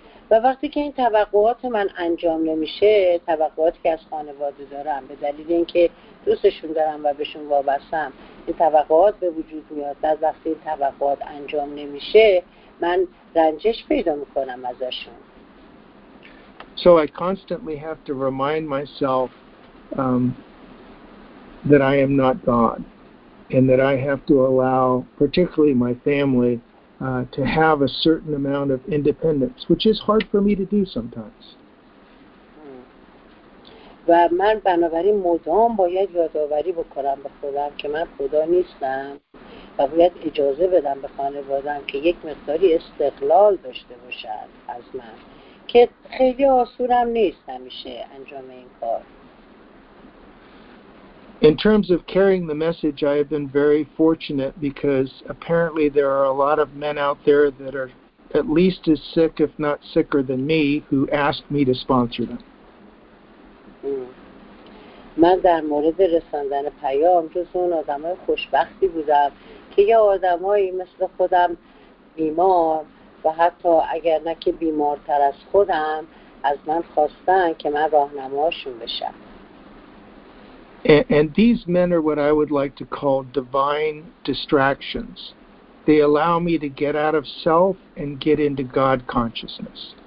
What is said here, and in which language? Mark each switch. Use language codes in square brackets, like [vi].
[fa] و وقتی که این توقعات من انجام نمیشه، توقعاتی که از خانواده دارم به دلیل اینکه دوستشون دارم و بهشون وابستم، این توقعات به وجود میاد. از وقتی این توقعات انجام نمیشه، من رنجش پیدا میکنم ازشون. [en] So I constantly have to remind myself that I am not God, and that I have to allow, particularly my family, to have a certain amount of independence, which is hard for me to do sometimes. [fa] و من بنابراین مدام باید یادآوری بکنم به خودم که من خدا نیستم و باید اجازه بدم به خانواده‌ام که یک مقداری استقلال داشته باشند از من، که خیلی آسونم نیست همیشه انجام این کار. [en] In terms of carrying the message, I have been very fortunate because apparently there are a lot of men out there that are at least as sick, if not sicker than me, who asked me to sponsor them. [fa] من در مورد رساندن پیام جز اون آدم های خوشبختی بودم که یه آدم هایی مثل خودم بیمار و حتی اگر نه که بیمارتر از خودم از من خواستن که من راهنماشون بشم. [en] And these men are what I would like to call divine distractions. They allow me to get out of self and get into God consciousness.